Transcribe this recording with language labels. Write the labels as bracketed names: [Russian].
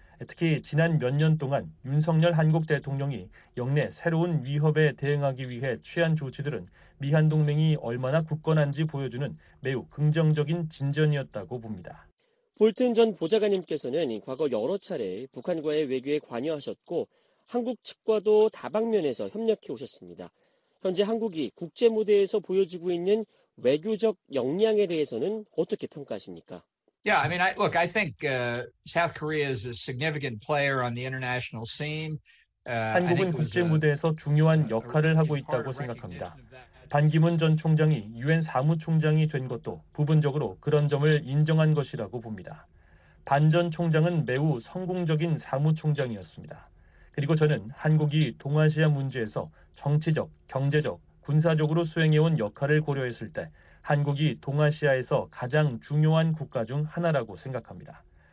[Korean] 특히 지난 몇 년 동안 윤석열 한국 대통령이 역내 새로운 위협에 대응하기 위해 취한 조치들은 미한 동맹이 얼마나 굳건한지 보여주는 매우 긍정적인 진전이었다고 봅니다. 볼튼 전 보좌관님께서는 과거 여러 차례 북한과의 외교에 관여하셨고 한국 측과도 다방면에서 협력해 오셨습니다. 현재 한국이 국제 무대에서 보여주고 있는 외교적 역량에 대해서는 어떻게 평가하십니까? [English] Yeah, I mean, I, look, I think South Korea is a significant player on the international scene. [Korean] 한국은 국제 무대에서 중요한 역할을 하고 있다고 생각합니다. 반기문 전 총장이 유엔 사무총장이 된 것도 부분적으로 그런 점을 인정한 것이라고 봅니다. 반 전 총장은 매우 성공적인 사무총장이었습니다. 그리고 저는 한국이 동아시아 문제에서 정치적, 경제적, 군사적으로 수행해온 역할을 고려했을 때 한국이 동아시아에서 가장 중요한 국가 중 하나라고 생각합니다.